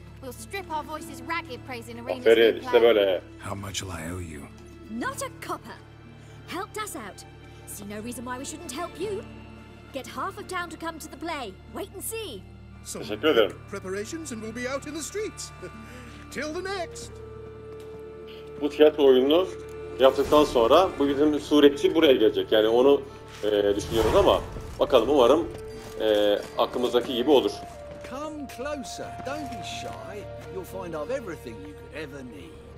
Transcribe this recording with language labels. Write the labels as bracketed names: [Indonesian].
[English] We'll strip our voices ragged praising arenas. [Turkish] Aferin, işte böyle. [English] How much will I owe you? Not a copper. Helped us out. See no reason why we shouldn't help you. Get half of town to come to the play. Wait and see. [Turkish] So teşekkür ederim. [English] Preparations and we'll be out in the streets. Till the next. [Turkish] Bu tiyatro oyununu yaptıktan sonra bu bizim suretçi buraya gelecek. Yani onu düşünüyoruz ama bakalım, umarım aklımızdaki gibi olur. [English] Come closer. Don't be shy. You'll find out everything you could ever need.